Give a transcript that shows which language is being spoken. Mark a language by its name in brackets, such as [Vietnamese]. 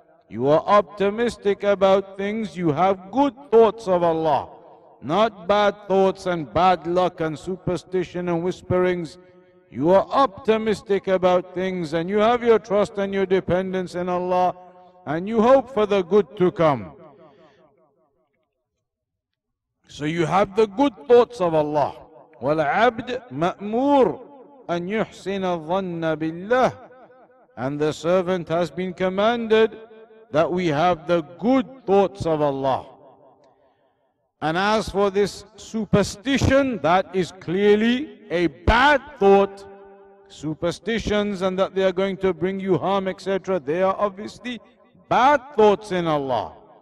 [English] You are optimistic about things. You have good thoughts of Allah, not bad thoughts and bad luck and superstition and whisperings. You are optimistic about things, and you have your trust and your dependence in Allah, and you hope for the good to come. So you have the good thoughts of Allah. [Arabic] والعبد مأمور أن يحسن الظن بالله. [English] And the servant has been commanded that we have the good thoughts of Allah. And as for this superstition, that is clearly a bad thought. Superstitions and that they are going to bring you harm, etc., they are obviously bad thoughts in Allah.